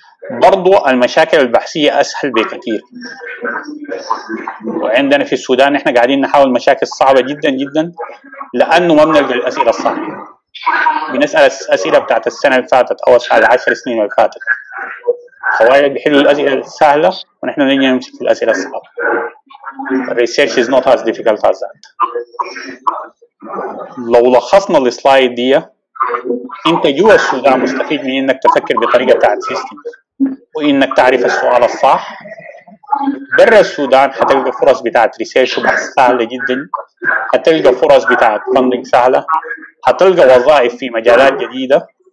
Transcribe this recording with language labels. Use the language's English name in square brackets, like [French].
[Arabic] برضو المشاكل البحثية أسهل بكثير، وعندنا في السودان إحنا قاعدين نحاول مشاكل صعبة جدا جدا لأنه ما بنلقى الأسئلة الصح. بنسأل الأسئلة بتاعت السنة اللي فاتت أو أسئلة 10 سنين اللي فاتت، خوارج بيحلوا الأسئلة السهلة ونحن نيجي نمسك في الأسئلة الصعبة. [English] Research is not as difficult as that. [Arabic] لو لخصنا السلايد دي، انت جوا السودان مستفيد من انك تفكر بطريقة بتاعت سيستم وانك تعرف السؤال الصح. برا السودان هتلقى فرص بتاعت ريسيرش سهلة جدا، هتلقى فرص بتاعت فندنج سهلة، هتلقى وظائف في مجالات جديدة.